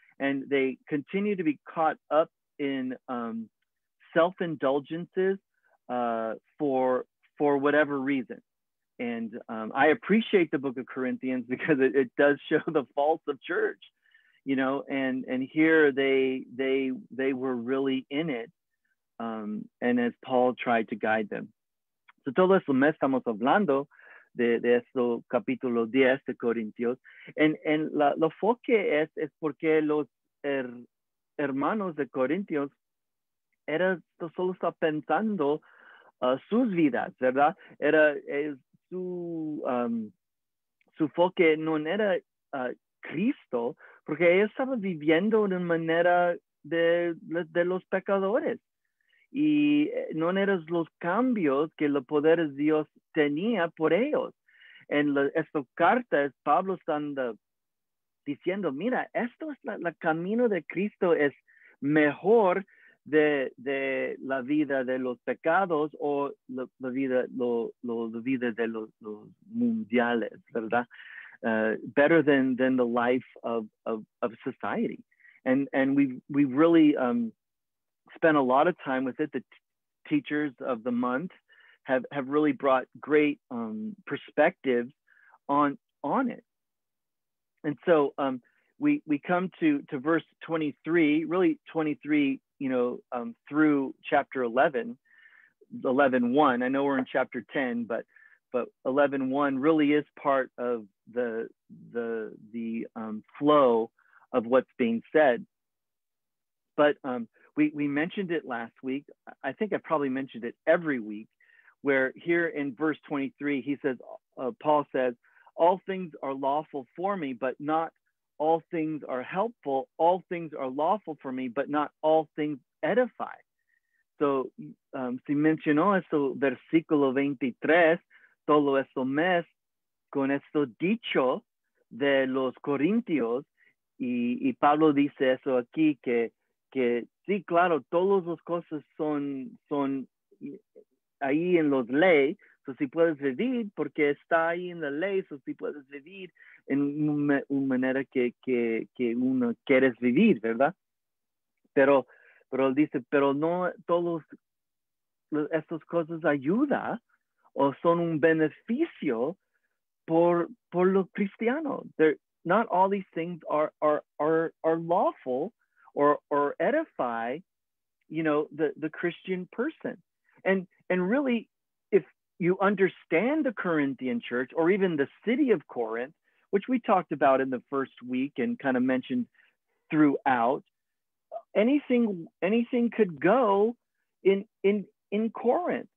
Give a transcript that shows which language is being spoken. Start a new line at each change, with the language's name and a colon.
English: And they continue to be caught up in self-indulgences for whatever reason. And I appreciate the book of Corinthians because it does show the faults of church, you know, and here they were really in it. And as Paul tried to guide them.
Spanish: So todo eso me estamos hablando de esto capítulo 10 de Corintios. En lo foque es porque los hermanos de Corintios era solo está pensando sus vidas, ¿verdad? Era su foque no era Cristo, porque ellos estaban viviendo de una manera de los pecadores. y no eran los cambios que el poder de Dios tenía por ellos. En esta carta, Pablo está diciendo, mira, esto es el camino de Cristo, es mejor de la vida de los pecados o la vida de los mundiales, ¿verdad?
English: Better than the life of society. And we really spent a lot of time with it. The teachers of the month have really brought great perspectives on it. And so we come to verse 23, really 23, you know, through chapter 11:1. I know we're in chapter 10, but 11:1 really is part of the flow of what's being said. But we mentioned it last week. I think I probably mentioned it every week, where here in verse 23, Paul says, all things are lawful for me, but not all things are helpful. All things are lawful for me, but not all things edify.
Spanish: So si mencionó eso, versículo 23, todo esto mes, con esto dicho de los corintios, y Pablo dice eso aquí, que sí, claro, todas las cosas son ahí en los ley, so, si puedes vivir, porque está ahí en la ley, so, si puedes vivir en una manera que uno quieres vivir, ¿verdad? Pero él dice, pero no todas estas cosas ayuda o son un beneficio por los cristianos.
English: They're, not all these things are lawful or edify, you know, the Christian person. And really, if you understand the Corinthian church or even the city of Corinth, which we talked about in the first week and kind of mentioned throughout, anything could go in Corinth.